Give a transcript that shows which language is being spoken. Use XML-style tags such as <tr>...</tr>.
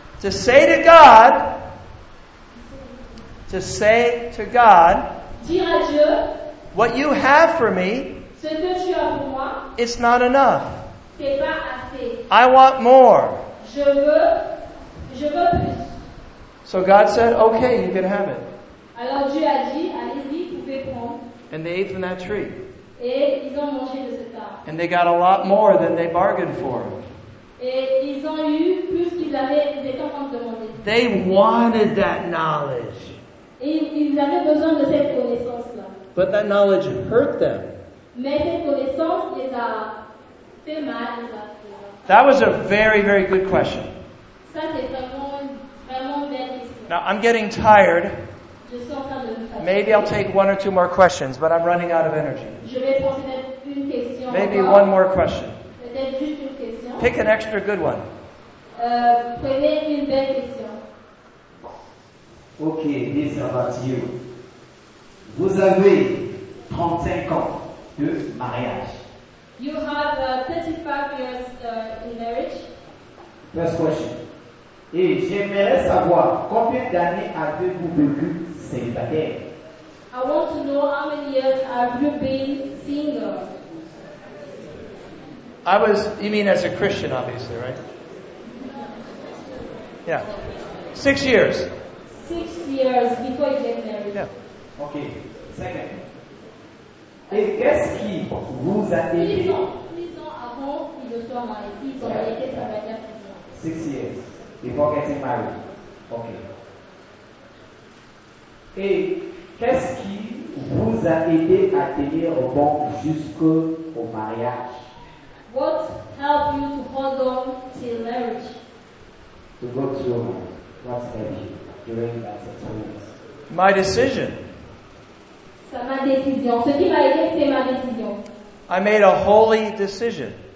<en>To say to God,</en> <fr>dire à Dieu,</fr> <en>what you have for me,</en> <fr>ce que tu as pour moi,</fr> <en>it's not enough.</en> <fr>C'est pas assez.</fr> <en>I want more.</en> <fr>Je veux plus.</fr> <en>So God said, okay, you can have it.</en> <fr>Alors Dieu a dit, allez-y, vous pouvez prendre.</fr> <en>And they ate from that tree.</en> <fr>Et Et ils ont mangé de cet arbre.</fr> <en>And they got a lot more than they bargained for.</en> <fr>Et ils ont eu plus qu'ils avaient des temps de demander.</fr> <en>They wanted that knowledge.</en> <fr>Et ils avaient besoin de cette connaissance-là.</fr> <en>But that knowledge hurt them.</en> <fr>Mais cette connaissance les a fait mal.</fr> <en>That was a very, very good question.</en> <fr>Ça, c'est vraiment, vraiment belle question.</fr> <en>Now, I'm getting tired.</en> <fr>Je suis en train de me fatiguer.</fr> <en>Maybe I'll take one or two more questions, but I'm running out of energy.</en> <fr>Je vais poser une question.</fr> <en>Maybe one more question.</en> <fr>Peut-être juste une question.</fr> <en>Pick an extra good one.</en> <fr>Prenez une belle question.</fr> <en>Ok, this about you.</en> <fr>Vous avez 35 ans de mariage.</fr> <en>You have 35 years in marriage. First question.</en> <fr>Et j'aimerais savoir combien d'années avez-vous vécu célibataire?</fr> <en>I want to know how many years have you been single? I was, you mean as a Christian, obviously, right? Yeah. 6 years. 6 years before you get married. Yeah. Okay. Second.</en> <fr>Et qu'est-ce qui vous a aidé? 6 ans avant qu'il ne soit marié. Il a été travaillé à 6 ans.</fr> <en>6 years before getting married. Okay.</en> <fr>Et qu'est-ce qui vous a aidé à tenir bon jusqu'au mariage?</fr> <en>What helped you to hold on till marriage? To go to your mind. What helped you during that 6 months? My decision. I made a holy decision.</en>